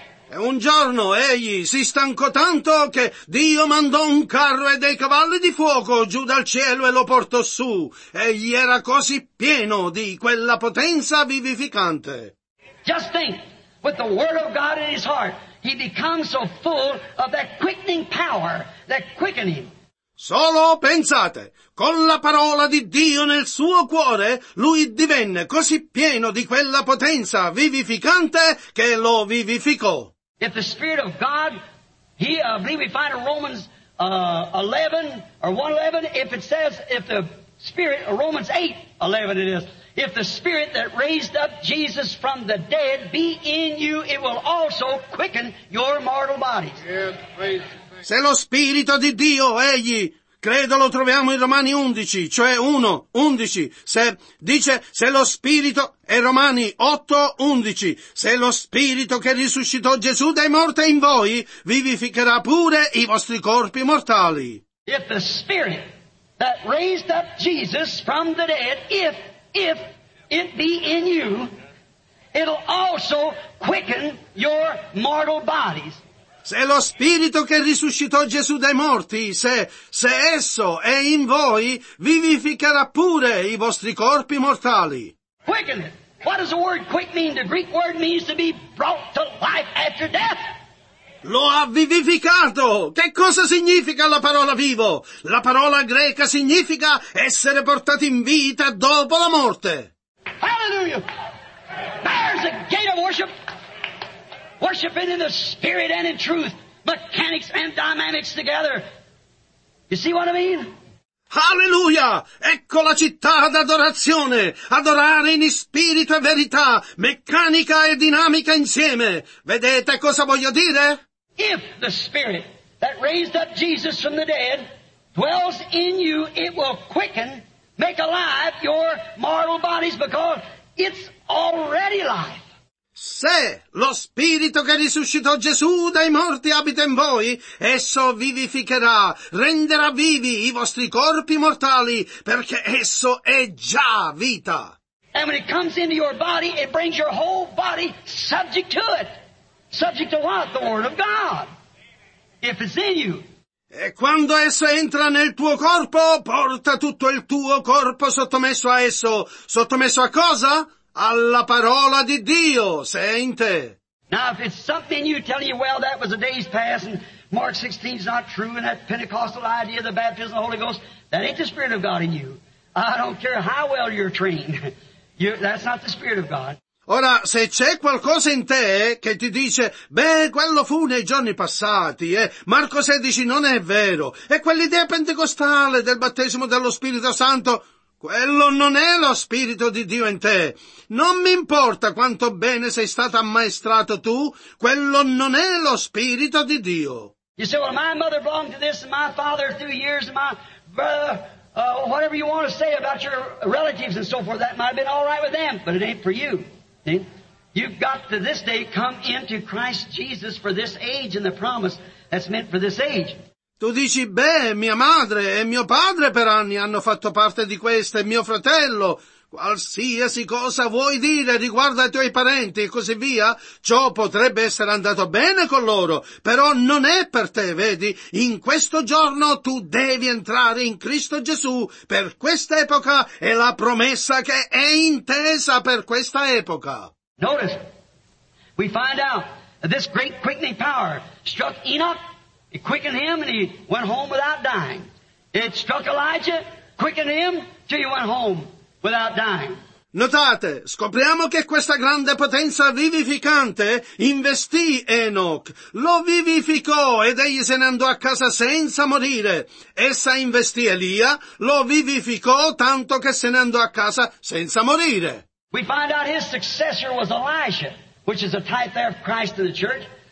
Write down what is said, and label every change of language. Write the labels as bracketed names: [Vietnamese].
[Italian] E un giorno egli si stancò tanto che Dio mandò un carro e dei cavalli di fuoco giù dal cielo e lo portò su. Egli era così pieno di quella potenza vivificante. [English] Just think, with the word of God in his heart, he becomes so full of that quickening power, that quickening. [Italian] Solo pensate, con la parola di Dio nel suo cuore, lui divenne così pieno di quella potenza vivificante che lo vivificò. [English] If the Spirit of God, I believe we find in Romans 11 or 111, if it says, if the Spirit, Romans 8, 11 it is, if the Spirit that raised up Jesus from the dead be in you, it will also quicken your mortal bodies. Yes, [Italian] se lo Spirito di Dio, egli, credo lo troviamo in Romani 11, cioè 1, 11, se, dice, se lo Spirito... E Romani 8, 11, se lo Spirito che risuscitò Gesù dai morti in voi, vivificherà pure i vostri corpi mortali. [English] If the Spirit that raised up Jesus from the dead, if it be in you, it'll also quicken your mortal bodies. [Italian] Se lo Spirito che risuscitò Gesù dai morti, se esso è in voi, vivificherà pure i vostri corpi mortali. [English] Quicken. What does the word quick mean? The Greek word means to be brought to life after death. [Italian] Lo ha vivificato! Che cosa significa la parola vivo? La parola greca significa essere portati in vita dopo la morte. [English] Hallelujah! There's a gate of worship. Worshiping in the spirit and in truth. Mechanics and dynamics together. You see what I mean? [Italian] Alleluia! Ecco la città d'adorazione! Adorare in spirito e verità, meccanica e dinamica insieme. Vedete cosa voglio dire? [English] If the Spirit that raised up Jesus from the dead dwells in you, it will quicken, make alive your mortal bodies because it's already alive. [Italian] Se lo Spirito che risuscitò Gesù dai morti abita in voi, esso vivificherà, renderà vivi i vostri corpi mortali, perché esso è già vita. [English] And when it comes into your body, it brings your whole body subject to it. Subject to what? The Word of God. If it's in you. [Italian] E quando esso entra nel tuo corpo, porta tutto il tuo corpo sottomesso a esso. Sottomesso a cosa? Alla parola di Dio, se è in te. [English] Now if it's something you tell you, well, that was the days past, and Mark 16 is not true, and that Pentecostal idea of the baptism of the Holy Ghost, that ain't the Spirit of God in you. I don't care how well you're trained. That's not the Spirit of God. [Italian] Ora, se c'è qualcosa in te che ti dice, beh, quello fu nei giorni passati, Marco 16 non è vero, e quell'idea pentecostale del battesimo dello Spirito Santo, quello non è lo Spirito di Dio in te. Non mi importa quanto bene sei stato ammaestrato tu, quello non è lo Spirito di Dio. [English] You say, well, my mother belonged to this, and my father through years, and my brother, whatever you want to say about your relatives and so forth, that might have been all right with them, but it ain't for you. You've got to this day come into Christ Jesus for this age and the promise that's meant for this age. [Italian] Tu dici, beh, mia madre e mio padre per anni hanno fatto parte di questo e mio fratello. Qualsiasi cosa vuoi dire riguardo ai tuoi parenti e così via, ciò potrebbe essere andato bene con loro, però non è per te, vedi? In questo giorno tu devi entrare in Cristo Gesù per quest'epoca e la promessa che è intesa per questa epoca. [English] Notice, we find out that this great quickening power struck Enoch, it quickened him and he went home without dying. It struck Elijah, quickened him till he went home. Without dying. [Italian] Notate, scopriamo che questa grande potenza vivificante investì Enoch, lo vivificò ed egli se ne andò a casa senza morire. Essa investì Elia, lo vivificò tanto che se ne andò a casa senza morire. [English] We find out his successor was Elisha, which is a type there of Christ in the church.